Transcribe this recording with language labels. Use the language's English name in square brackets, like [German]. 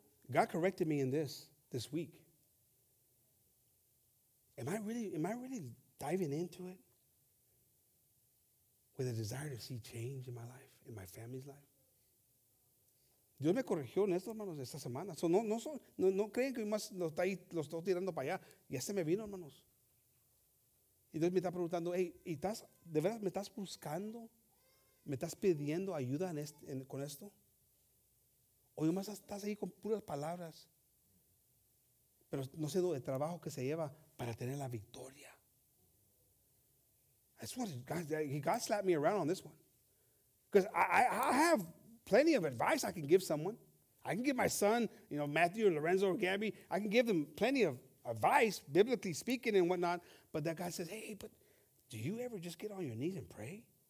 [English] God corrected me in this week. Am I really diving into it with a desire to see change in my life, in my family's life? [Spanish] Dios me corrigió en esto, hermanos, esta semana. So no creen que más lo está ahí, lo estoy tirando para allá. Ya se me vino, hermanos. Y Dios me está preguntando, hey, ¿y estás, de verdad me estás buscando? ¿Me estás pidiendo ayuda con esto? O nomás estás ahí con puras palabras. Pero no sé el trabajo que se lleva para tener la victoria. [English] That's what God slapped me around on this one. Because I have plenty of advice I can give someone. I can give my son, you know, Matthew or Lorenzo or Gabby, I can give them plenty of advice, biblically speaking and whatnot. But that God says, hey, but do you ever just get on your knees and pray?